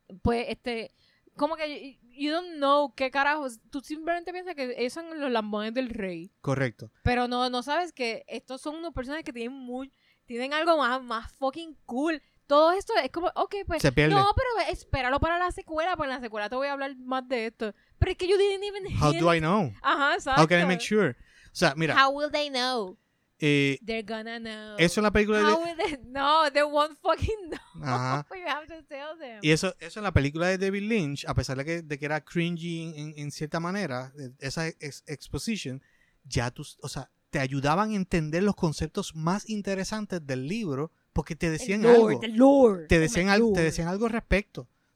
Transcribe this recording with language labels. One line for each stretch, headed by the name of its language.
Spanish: Pues como que
English: you don't know
Spanish: qué carajo. Tú simplemente piensas que ellos son los lambones del rey. Correcto. Pero no sabes que estos son unos personajes que tienen algo más
English: fucking cool.
Spanish: Todo esto es como, ok, pues. Se pierde. No, pero espéralo para la secuela, pues en la secuela te voy a hablar más de esto. Pero es que
English: you didn't even hear. How do I know?
Spanish: Ajá, exacto.
English: How can I make sure?
Spanish: O sea, mira.
English: How will they know? They're gonna know.
Spanish: Eso en la película de...
English: No, they won't fucking know. Ajá. You have to tell them.
Spanish: Y eso en la película de David Lynch, a pesar de que era cringy en cierta manera, esa exposition, ya tú, o sea, te ayudaban a entender los conceptos más interesantes del libro. Porque te decían te decían algo al respecto.